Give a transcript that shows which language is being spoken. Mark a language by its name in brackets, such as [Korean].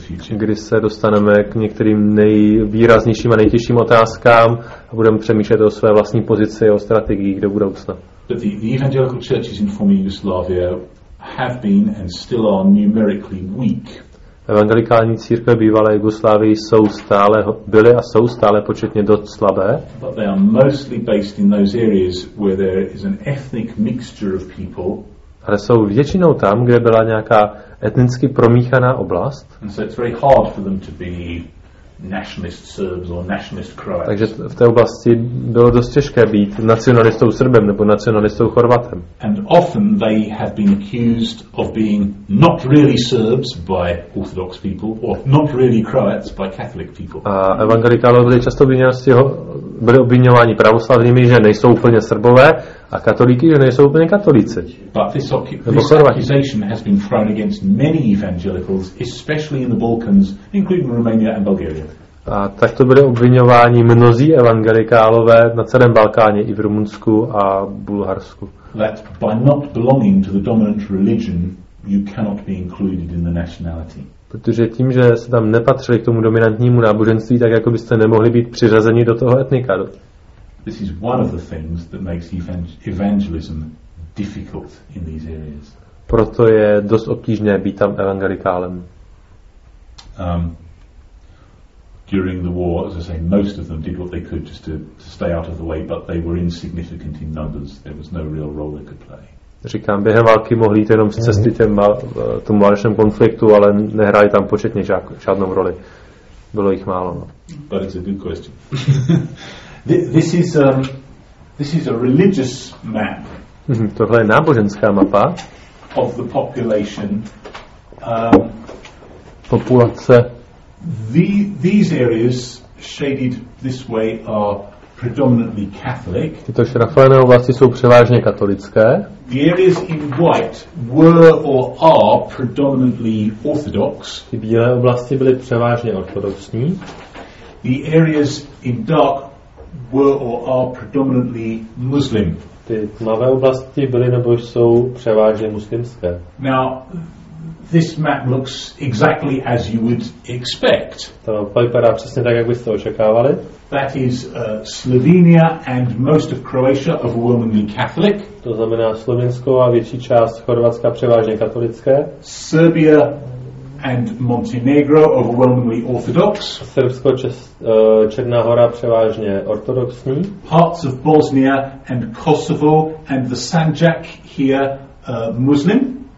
[Czech] Kdy se dostaneme k některým nejvýraznějším a nejtěžším otázkám a budeme přemýšlet o své vlastní pozici, o strategiích do budoucna. [English] But the evangelical churches in former Yugoslavia have been and still are numerically weak. [Czech] Evangelikální církve bývalé Jugoslávie jsou stále byly a jsou stále početně dost slabé. [English] But they are mostly based in those areas where there is an ethnic mixture of people. [Czech] Ale jsou většinou tam, kde byla nějaká etnicky promíchaná oblast. [English] And so it's very hard for them to be nationalist Serbs or nationalist Croats. [Czech] Takže v té oblasti bylo dost těžké být nacionalistou Srbem nebo nacionalistou Chorvatem. [English] And often they have been accused of being not really Serbs by Orthodox people or not really Croats by Catholic people. [Czech] A evangelikálové byli často obviňováni pravoslavnými, že nejsou úplně Srbové, a katolíky, že nejsou úplně katolíci. [English] But this accusation has been thrown against many evangelicals, especially in the Balkans, including Romania and Bulgaria. [Czech] A tak to bude obviňování mnozí evangelikálové na celém Balkáně i v Rumunsku a Bulharsku. [English] That by not belonging to the dominant religion, you cannot be included in the nationality. [Czech] Protože tím, že se tam nepatřili k tomu dominantnímu náboženství, tak jako byste nemohli být přiřazeni do toho etnika. [English] This is one of the things that makes evangelism difficult in these areas. [Czech] Proto je dost obtížné být tam evangelikálem. [English] During the war, as I say, most of them did what they could just to stay out of the way, but they were insignificant in numbers. There was no real role they could play. [Czech] Říkám, během války mohli jít jenom z cesty tomu válečnému konfliktu, ale nehráli tam početně žádnou roli. Bylo jich málo. No. [English] But it's a good question. This is a religious map. [Czech] Tohle je náboženská mapa. [English] Of the population. [Czech] Populace. [English] These areas shaded this way are predominantly Catholic. [Czech] Tyto šrafované oblasti jsou převážně katolické. [English] The areas in white were or are predominantly Orthodox. [Czech] Ty bílé oblasti byly převážně ortodoxní. [English] The areas in dark were or are predominantly Muslim. [Czech] Ty tmavé oblasti byly nebo jsou převážně muslimské. [English] Now, this map looks exactly as you would expect. [Czech] To vypadá přesně tak, jak byste očekávali. [English] That is Slovenia and most of Croatia overwhelmingly Catholic. [Czech] To znamená Slovensko a větší část Chorvatska převážně katolické. [English] Serbia and Montenegro overwhelmingly Orthodox. [Czech] Srbsko, Černá Hora převážně ortodoxní. [English] Parts of Bosnia and Kosovo and the Sanjak here Muslim.